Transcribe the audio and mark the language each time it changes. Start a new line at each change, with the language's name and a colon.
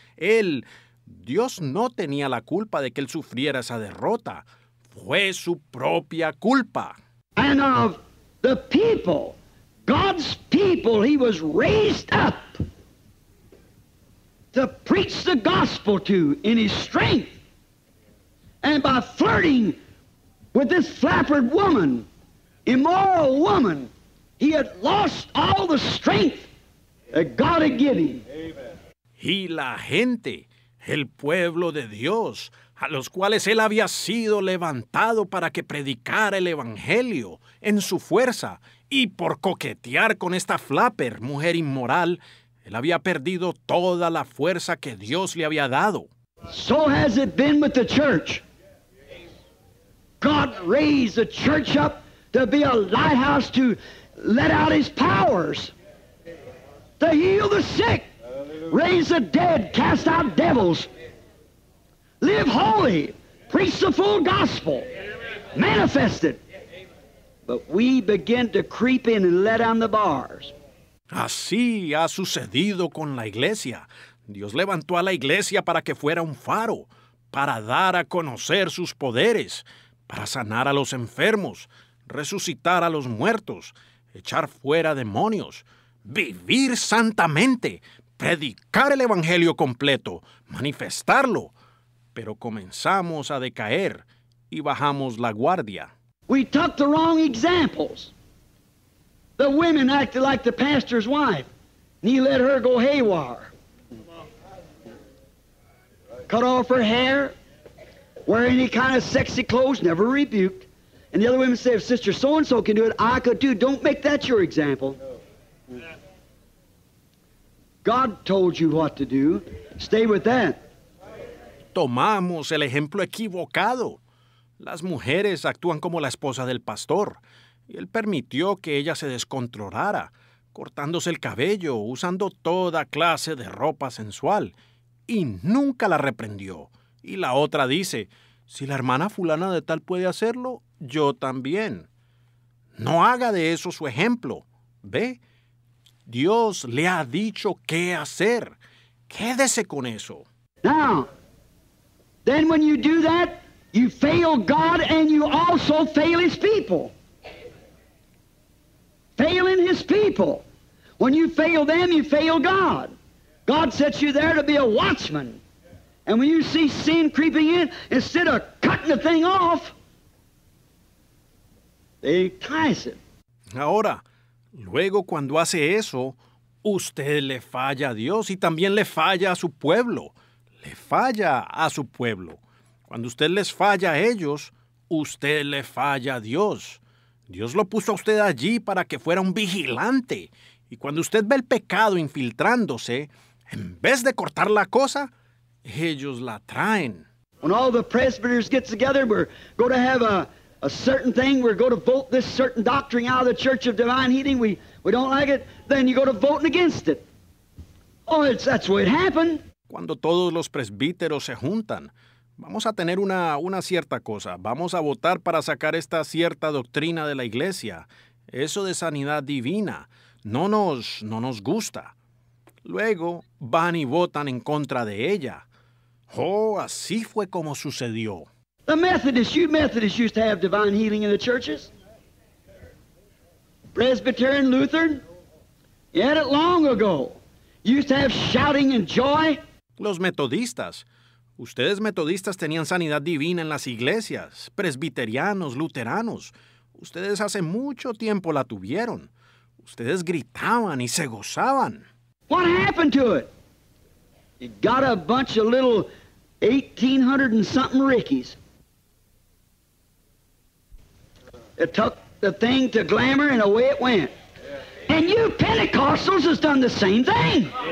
Spanish: Él, Dios no tenía la culpa de que él sufriera esa derrota. Fue su propia culpa.
English: And of the people. God's people, he was raised up to preach the gospel to in his strength. And by flirting with this flappered woman, immoral woman, he had lost all the strength God had given him.
Spanish: Y la gente, el pueblo de Dios, a los cuales él había sido levantado para que predicara el evangelio en su fuerza, y por coquetear con esta flapper, mujer inmoral, él había perdido toda la fuerza que Dios le había dado.
English: So has it been with the church. God raised the church up to be a lighthouse to let out his powers, to heal the sick, raise the dead, cast out devils, live holy, preach the full gospel, manifest it. But we begin to creep in and let down the bars.
Spanish: Así ha sucedido con la iglesia. Dios levantó a la iglesia para que fuera un faro, para dar a conocer sus poderes, para sanar a los enfermos, resucitar a los muertos, echar fuera demonios, vivir santamente, predicar el evangelio completo, manifestarlo. Pero comenzamos a decaer y bajamos la guardia.
English: We took the wrong examples. The women acted like the pastor's wife, and he let her go haywire. Cut off her hair, wear any kind of sexy clothes, never rebuked. And the other women say, if Sister so-and-so can do it, I could too. Don't make that your example. God told you what to do. Stay with that.
Spanish: Tomamos el ejemplo equivocado. Las mujeres actúan como la esposa del pastor. Y él permitió que ella se descontrolara, cortándose el cabello, usando toda clase de ropa sensual. Y nunca la reprendió. Y la otra dice, si la hermana fulana de tal puede hacerlo, yo también. No haga de eso su ejemplo. Ve, Dios le ha dicho qué hacer. Quédese con eso.
English: Now, then when you do that, you fail God and you also fail his people. Failing his people. When you fail them, you fail God. God sets you there to be a watchman. And when you see sin creeping in, instead of cutting the thing off, they entice it.
Spanish: Ahora, luego cuando hace eso, usted le falla a Dios y también le falla a su pueblo. Le falla a su pueblo. Cuando usted les falla a ellos, usted le falla a Dios. Dios lo puso a usted allí para que fuera un vigilante. Y cuando usted ve el pecado infiltrándose, en vez de cortar la cosa, ellos la traen.
English: When all the presbyters get together, we're going to have a certain thing. We're going to vote this certain doctrine out of the Church of Divine Healing. We don't like it. Then you go to voting against it. Oh, that's the way it happened.
Spanish: Cuando todos los presbíteros se juntan, vamos a tener una cierta cosa. Vamos a votar para sacar esta cierta doctrina de la iglesia. Eso de sanidad divina no nos gusta. Luego van y votan en contra de ella. Oh, así fue como sucedió.
English: The Methodists, you Methodists used to have divine healing in the churches. Presbyterian, Lutheran, you had it long ago. You used to have shouting and joy.
Spanish: Los metodistas. Ustedes metodistas tenían sanidad divina en las iglesias. Presbiterianos, luteranos. Ustedes hace mucho tiempo la tuvieron. Ustedes gritaban y se gozaban.
English: What happened to it? It got a bunch of little 1800 and something rickies. It took the thing to glamour and away it went. And you Pentecostals has done the same thing.